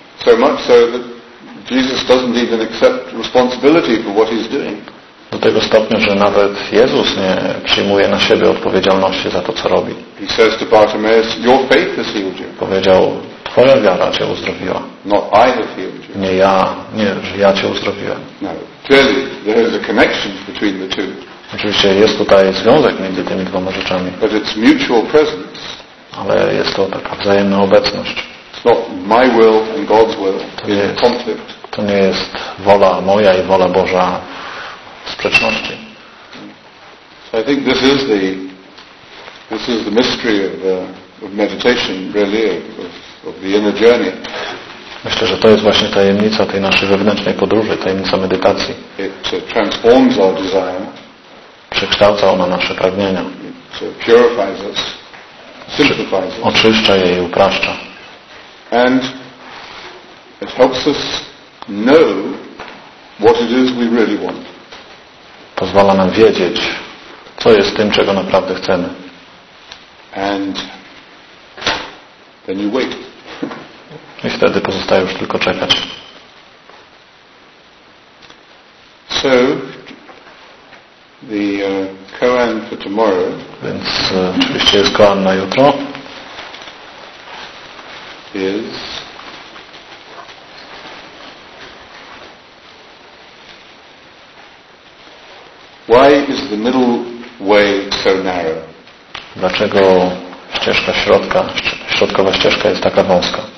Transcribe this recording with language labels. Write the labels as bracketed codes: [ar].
[en] So much so that Jesus doesn't even accept responsibility for what he's doing. [pl] Do tego stopnia, że nawet Jezus nie przyjmuje na siebie odpowiedzialności za to, co robi. [en] He says to Bartimaeus, your faith has healed you. [pl] Powiedział, twoja wiara cię uzdrowiła. [en] Not I have healed you. [pl] Nie, że ja cię uzdrowiłem. [en] No, clearly there is a connection between the two. [pl] Oczywiście jest tutaj związek między tymi dwoma rzeczami. [en] But it's mutual presence. [pl] Ale jest to taka wzajemna obecność. [en] It's not my will and God's will. [pl] To nie jest konflikt. To nie jest wola moja i wola Boża. Sprzeczności. [en] So I think this is the mystery of meditation, really, of the inner journey. [pl] Myślę, że to jest właśnie tajemnica tej naszej wewnętrznej podróży, tajemnica medytacji. [en] It transforms our desire. [pl] Przekształca ona nasze pragnienia. [en] It purifies us, simplifies us. [pl] Oczyszcza je i upraszcza. [en] And it helps us know what it is we really want. [pl] Pozwala nam wiedzieć, co jest tym, czego naprawdę chcemy. [en] And then you wait. [pl] I wtedy pozostaje już tylko czekać. [en] So, the koan for tomorrow. [pl] Więc oczywiście jest koan na jutro. [en] Is why is the middle way so narrow? [pl] Dlaczego ścieżka środka, środkowa ścieżka jest taka wąska.